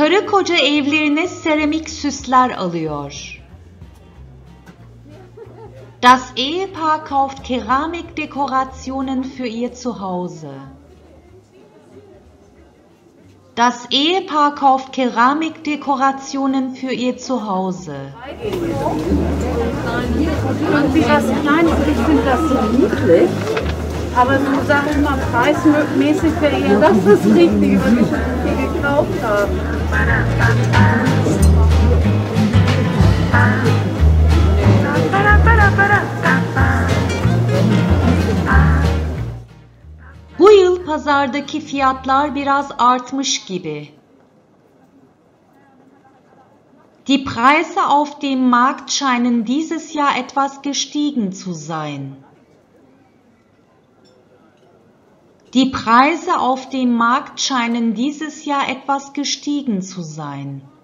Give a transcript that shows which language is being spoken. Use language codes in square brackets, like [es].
[tr] Koca evlerine seramik süsler alıyor. [de] Das Ehepaar kauft Keramikdekorationen für ihr Zuhause. Das Ehepaar kauft Keramikdekorationen für ihr Zuhause. Können Sie das klein? Ich finde das so niedlich. Aber so sagen wir mal preismäßig wäre eher das ist das Richtige, was wir schon hier gekauft haben. [tr] Bu yıl pazardaki fiyatlar biraz artmış gibi. [de] Die Preise auf dem Markt scheinen dieses Jahr etwas gestiegen zu sein. Die Preise auf dem Markt scheinen dieses Jahr etwas gestiegen zu sein.